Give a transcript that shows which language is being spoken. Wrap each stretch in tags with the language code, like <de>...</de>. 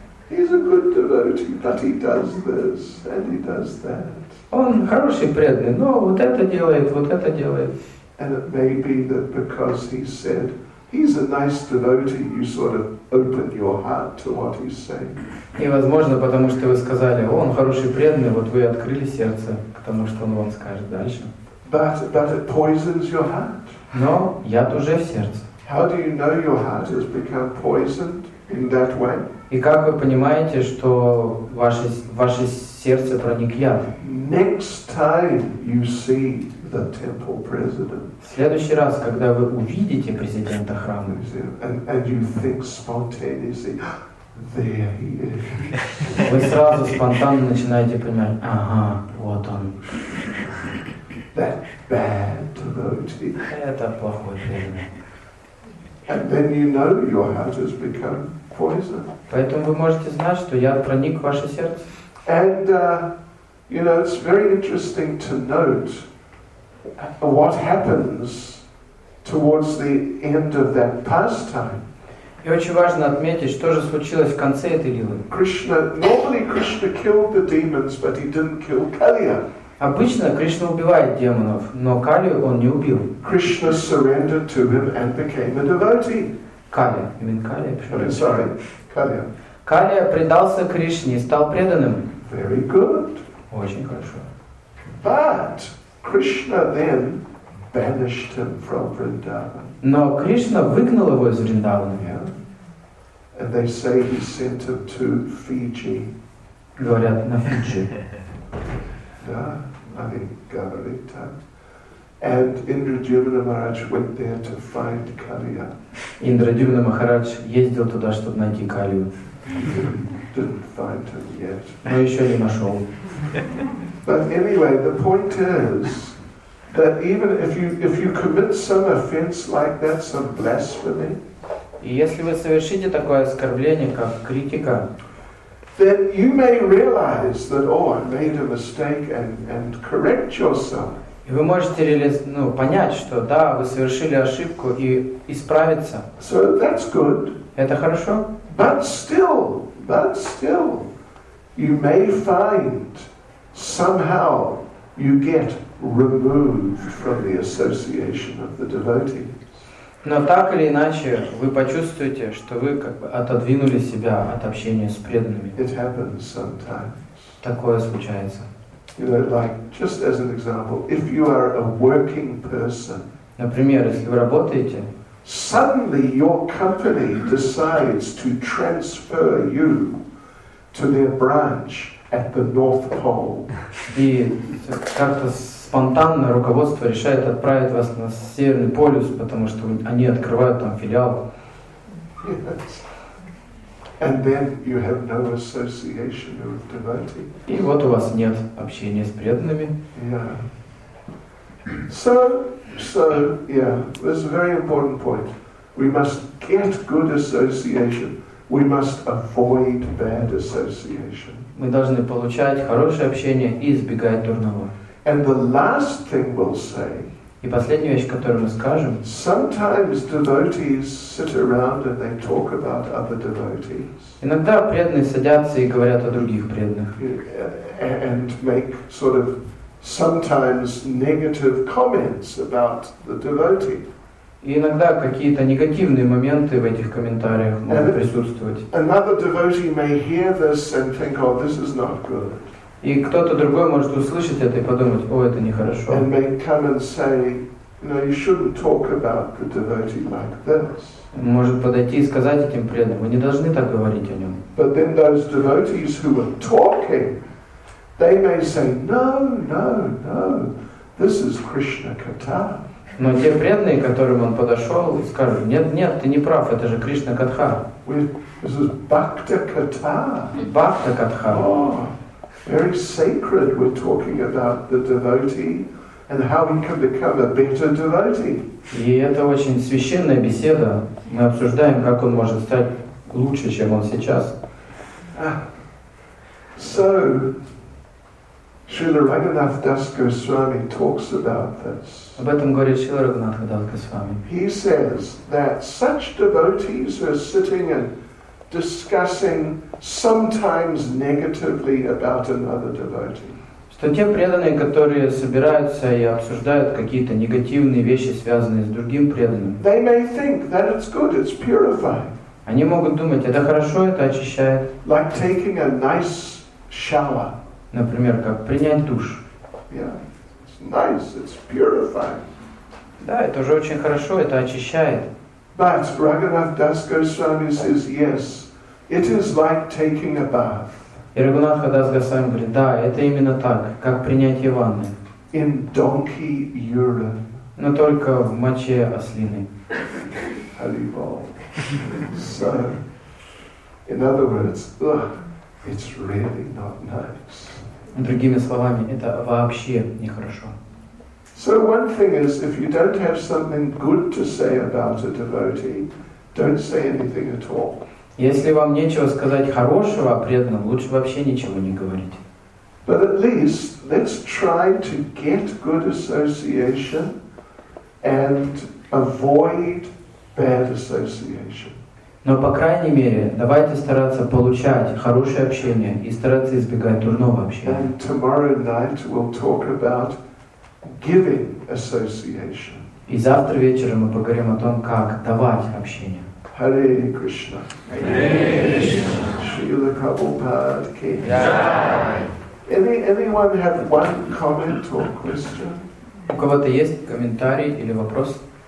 <en>He's a good devotee, but he does this and he does that.</en> <ru>Он хороший преданный, но вот это делает, вот это делает.</ru> <en>And it may be that because he said he's a nice devotee, you sort of open your heart to what he's saying.</en> <ru>И возможно, потому что вы сказали, он хороший преданный, вот вы открыли сердце к тому, что он вам скажет дальше.</ru> <en>But it poisons your heart.</en> <ru>Но яд уже в сердце.</ru> <en>How do you know your heart has become poisoned in that way?</en> <ru>И как вы понимаете, что ваше сердце проник яд?</ru> <en>Next time you see the temple president.</en> <ru>В следующий раз, когда вы увидите президента храма.</ru> <en>And you think spontaneously, there he is.</en> <ru>Вы сразу спонтанно начинаете понимать, ага, вот он.</ru> <en>That bad devotee.</en> <ru>Это плохой преданный.</ru> <en>And then you know your heart has become poisoned.</en> <ru>Поэтому вы можете знать, что яд проник в ваше сердце.</ru> <en>And you know it's very interesting to note what happens towards the end of that pastime.</en> <ru>И очень важно отметить, что же случилось в конце этой лилы.</ru> <en>Krishna, normally Krishna killed the demons, but he didn't kill Kaliya.</en> <ru>Обычно Кришна убивает демонов, но Калию он не убил.</ru> <en>Krishna surrendered to him and became a devotee.</en> <ru>Калия, именно Калия.</ru> <en>Sorry, Калия.</en> <ru>Калия предался Кришне и стал преданным.</ru> <en>Very good.</en> <ru>Очень хорошо.</ru> <en>But Krishna then banished him from Vrindavan.</en> <ru>Но Кришна выгнал его из Вриндавана.</ru> <en>Yeah. And they say he sent him to Fiji.</en> <ru>Говорят, на Фиджи. Да,</ru> <en>I think Gavritan. And Indradyumna Maharaj went there to find Kaliya.</en> <ru>Индрадюмна Махарадж ездил туда, чтобы найти Калию.</ru> <en>Didn't find him yet.</en> <ru>Но еще не нашел.</ru> <en>But anyway, the point is that even if you commit some offense like that, some blasphemy,</en> <ru>если вы совершите такое оскорбление, как критика,</ru> <en>then you may realize that I made a mistake and correct yourself.</en> <ru>И вы можете понять, что да, вы совершили ошибку и исправиться.</ru> <en>So that's good.</en> <ru>Это хорошо.</ru> <en>But still, you may find somehow you get removed from the association of the devotees.</en> <ru>Но так или иначе вы почувствуете, что вы как бы отодвинули себя от общения с преданными.</ru> <en>It happens sometimes.</en> <ru>Такое случается.</ru> <en>You know, like just as an example, if you are a working person.</en> <ru>Например, если вы работаете.</ru> <en>Suddenly your company decides to transfer you to their branch at the North Pole.</en> <ru>И как-то спонтанно руководство решает отправить вас на Северный полюс, потому что они открывают там филиал.</ru> <en>Yes. And then you have no association with devotees.</en> <ru>И вот у вас нет общения с преданными.</ru> <en>Yeah. So, this is a very important point. We must get good association. We must avoid bad association.</en> <ru>Мы должны получать хорошее общение и избегать дурного.</ru> <en>And the last thing we'll say.</en> <ru>И последняя вещь, которую мы скажем.</ru> <en>Sometimes devotees sit around and they talk about other devotees.</en> <ru>Иногда преданные садятся и говорят о других преданных.</ru> <en>And make sort of sometimes negative comments about the devotee.</en> <ru>И иногда какие-то негативные моменты в этих комментариях могут присутствовать.</ru> <en>Another devotee may hear this and think, oh, this is not good.</en> <ru>И кто-то другой может услышать это и подумать, о, это нехорошо.</ru> <en>And may come and say, no, you shouldn't talk about the devotee like this.</en> <ru>Может подойти и сказать этим преданным, вы не должны так говорить о нем.</ru> <en>But then those devotees who are talking, they may say, no, this is Krishna Katha.</en> <ru>Но те преданные, к которым он подошел, скажут, нет, ты не прав, это же Кришна Катха.</ru> <en>This is Bhakta Katha.</en> <sa>Bhakta Katha.</sa> <en>Oh, very sacred, we're talking about the devotee and how he can become a better devotee.</en> <ru>И это очень священная беседа. Мы обсуждаем, как он может стать лучше, чем он сейчас.</ru> <en>So, Srila Raghunath Das Goswami talks about this.</en> <ru>Об этом говорит Шрила Рагхунатх Дас Госвами.</ru> <en>He says that such devotees are sitting and discussing sometimes negatively about another devotee.</en> <ru>Что те преданные, которые собираются и обсуждают какие-то негативные вещи, связанные с другим преданным.</ru> <en>They may think that it's good, it's purifying.</en> <ru>Они могут думать, это хорошо, это очищает.</ru> <en>Like taking a nice shower.</en> <ru>Например, как принять душ.</ru> <en>Yeah, it's nice, it's purifying.</en> <ru>Да, это уже очень хорошо, это очищает.</ru> <en>But Raghunath Das Goswami says, yes, it is like taking a bath.</en> <ru>И Рагунатха Дас Госвами говорит, да, это именно так, как принятие ванны.</ru> <en>In donkey urine.</en> <ru>Но только в моче ослины.</ru> <sa>Halibol.</sa> <en>So, in other words, it's really not nice.</en> <ru>Другими словами, это вообще нехорошо.</ru> <en>So one thing is, if you don't have something good to say about a devotee, don't say anything at all.</en> <ru>Если вам нечего сказать хорошего о преданном, лучше вообще ничего не говорить.</ru> <en>But at least let's try to get good association and avoid bad association.</en> <ru>Но, по крайней мере, давайте стараться получать хорошее общение и стараться избегать дурного общения.</ru> <en>And tomorrow night we'll talk about giving association.</en> <ru>И завтра вечером мы поговорим о том, как давать общение.</ru> <sa>Hare Krishna. Hare Krishna. Srila Prabhupada ki. Jai.</sa> <en>Anyone have one comment or question?</en> <ru>У кого-то есть комментарий или вопрос?</ru>